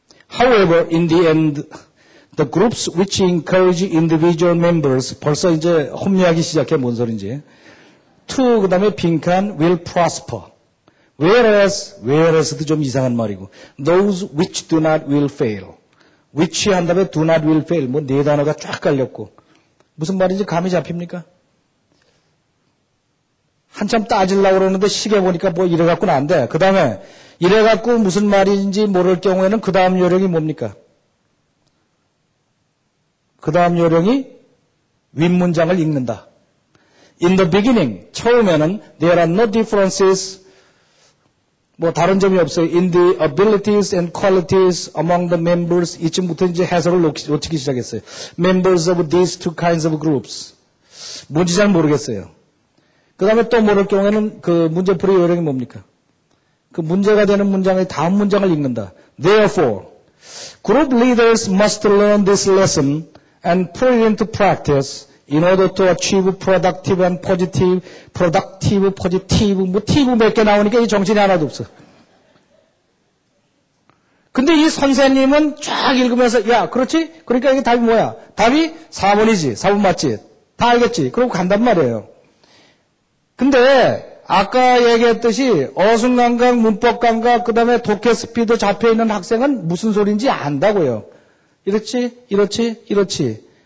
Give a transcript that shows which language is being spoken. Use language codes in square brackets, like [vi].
[en] However, in the end, the groups which encourage individual members, [ko] 벌써 이제 혼미하기 시작해, 뭔 소린지. To, 그 다음에 빈칸, [en] will prosper. [ko] Whereas도 좀 이상한 말이고. [en] Those which do not will fail. Which [ko] 한 다음에 [en] do not will fail. [ko] 뭐 네 단어가 쫙 깔렸고. 무슨 말인지 감이 잡힙니까? 한참 따지려고 그러는데 시계 보니까 뭐 이래갖고는 안 돼. 그 다음에 이래갖고 무슨 말인지 모를 경우에는 그 다음 요령이 뭡니까? 그 다음 요령이 윗문장을 읽는다. [en] In the beginning, [ko] 처음에는 [en] there are no differences, [ko] 뭐 다른 점이 없어요. [en] In the abilities and qualities among the members, [ko] 이쯤부터 이제 해석을 놓치기 시작했어요. [en] Members of these two kinds of groups. [ko] 뭔지 잘 모르겠어요. 그 다음에 또 모를 경우에는 그 문제풀이 요령이 뭡니까? 그 문제가 되는 문장의 다음 문장을 읽는다. [en] Therefore, group leaders must learn this lesson and put it into practice in order to achieve productive and positive, productive, positive, [ko] 뭐, TV 몇 개 나오니까 이 정신이 하나도 없어. 근데 이 선생님은 쫙 읽으면서, 야, 그렇지? 그러니까 이게 답이 뭐야? 답이 4번이지. 4번 맞지? 다 알겠지? 그러고 간단 말이에요. 근데, 아까 얘기했듯이 어순간각, 문법감각, 그 다음에 독해스피드 잡혀있는 학생은 무슨 소린지 안다고요. 이렇지? 이렇지? 이렇지?